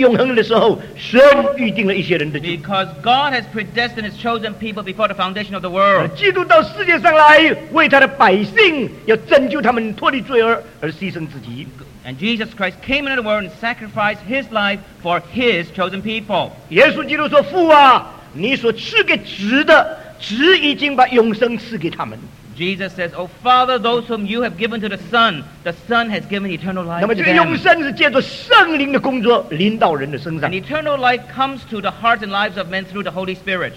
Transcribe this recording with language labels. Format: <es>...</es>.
<zh>万事以前，创世之永恒的时候，神预定了一些人的救。</zh> <en>Because God has predestined His chosen people before the foundation of the world.</en> <zh>基督到世界上来，为他的百姓，要拯救他们脱离罪而牺牲自己。</zh> <en>And Jesus Christ came into the world and sacrificed His life for His chosen people.</en> <zh>耶稣基督说，父啊，你所赐给子的，子已经把永生赐给他们。</zh> <en>Jesus says, O Father, those whom you have given to the Son has given eternal life to them.</en> <zh>那么这个永生是借着圣灵的工作临到人的身上。</zh> <en>And eternal life comes to the hearts and lives of men through the Holy Spirit.</en>